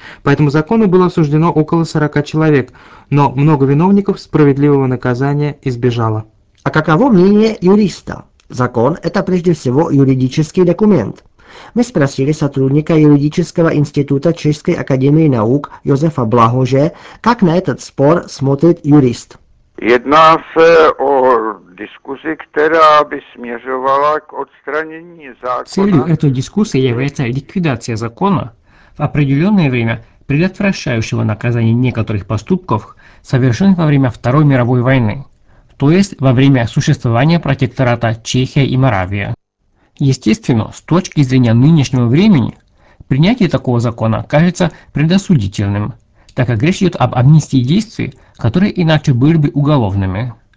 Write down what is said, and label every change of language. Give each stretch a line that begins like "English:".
Russian: По этому закону было осуждено около 40 человек, но много виновников справедливого наказания избежало. А каково мнение юриста? Закон – это прежде всего юридический документ. Мы спросили сотрудника юридического института Чешской академии наук Йозефа Благоже, как на этот спор смотрит юрист.
Czech: Jedná se o diskusi, která by směřovala k odstranění zákona.
Russian: Целью этой дискуссии является ликвидация закона, в определенное время предотвращающего наказание некоторых поступков, совершенных во время Второй мировой войны, то есть во время существования протектората Чехия и Моравия. Естественно, с точки зрения нынешнего времени, принятие такого закона кажется предосудительным, так как речь идет об амнистии действий, которые иначе были бы уголовными.